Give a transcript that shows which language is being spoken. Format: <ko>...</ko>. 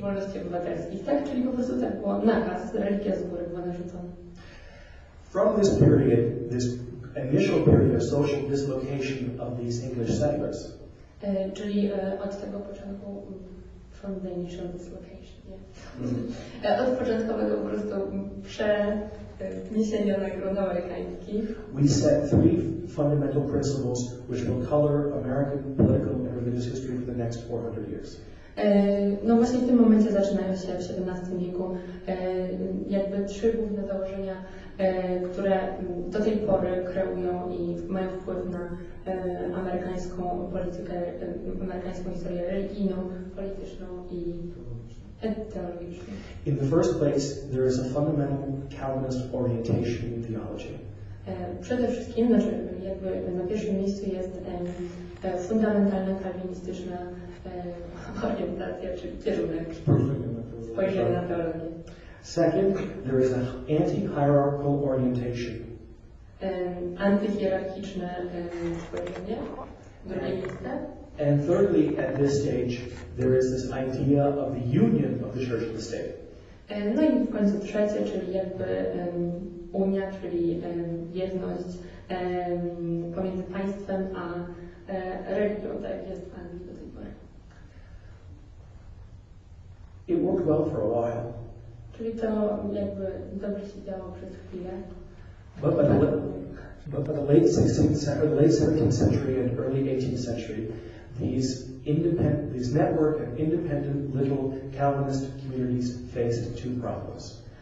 <pl>wolności obywatelskich, tak? Czyli po prostu tak było, nakaz, religia z góry była narzucona.</pl> <en>From this period, this initial period of social dislocation of these English settlers.</en> <pl>Czyli od tego początku,</pl> <en>from the initial dislocation,</en> <pl>nie?</pl> <en>Yeah.</en> <pl>Od początkowego po prostu przeniesienia na grono amerykańskie.</pl> <en>We set three fundamental principles which will color American political and religious history for the next 400 years.</en> <pl>No właśnie w tym momencie zaczynają się w XVII wieku jakby trzy główne założenia, które do tej pory kreują i mają wpływ na amerykańską politykę, amerykańską historię religijną, polityczną i teologiczną.</pl> <en>In the first place, there is a fundamental Calvinist orientation in theology.</en> <pl>Przede wszystkim, znaczy jakby na pierwszym miejscu jest fundamentalna kalwinistyczna orientacja, czy kierunek spojrzenia na teologię.</pl> <en>Second, there is an anti-hierarchical orientation.</en> <pl>Antyhierarchiczne spojrzenie. Drugie miejsce.</pl> <en>And thirdly, at this stage, there is this idea of the union of the church and the state.</en> <pl>No i w końcu trzecie, czyli jakby unia, czyli jedność pomiędzy państwem a religią, tak jest w Anglii do tej pory.</pl> <en>It worked well for a while.</en> <pl>Czyli to jakby dobrze się działo przez chwilę.</pl> <en>But by the late 17th century and early 18th century, these network of independent little Calvinist communities faced two problems.</en>